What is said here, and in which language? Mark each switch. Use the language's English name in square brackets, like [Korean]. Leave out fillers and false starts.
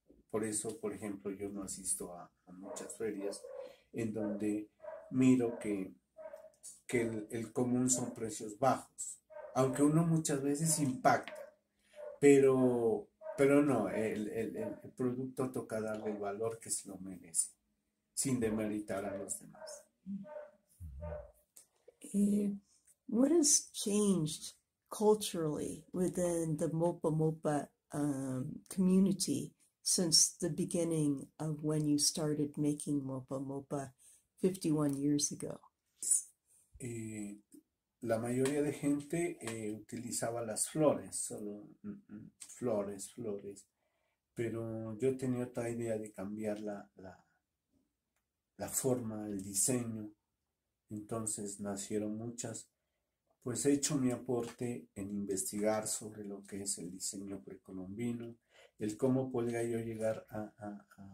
[Spanish] Por eso, por ejemplo, yo no asisto a muchas ferias en donde miro que el común son precios bajos. Aunque uno muchas veces impacta, pero no, el producto toca darle el valor que se lo merece, sin demeritar a los demás. [English] What has changed culturally within the Mopa Mopa community since the beginning of when you started making Mopa Mopa 51 years ago? [Spanish] La mayoría de gente utilizaba las flores, solo flores, flores, pero yo tenía otra idea de cambiar la forma, el diseño. Entonces nacieron muchas, pues he hecho mi aporte en investigar sobre lo que es el diseño precolombino, el cómo podría yo llegar a